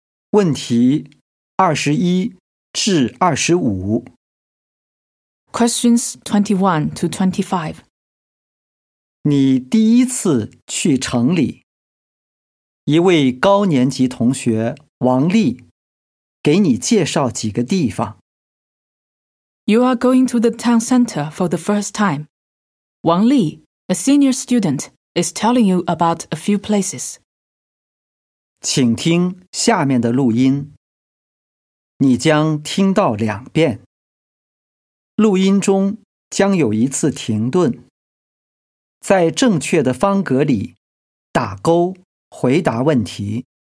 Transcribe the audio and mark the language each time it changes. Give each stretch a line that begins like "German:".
Chinese: 问题21至25。
English: Questions 21 to 25。
Chinese: 你第一次去城里，一位高年级同学王丽给你介绍几个地方。
English: You are going to the town center for the first time. Wang Li, a senior student, is telling you about a few places.
Chinese: 请听下面的录音，你将听到两遍。录音中将有一次停顿，在正确的方格里打勾回答问题。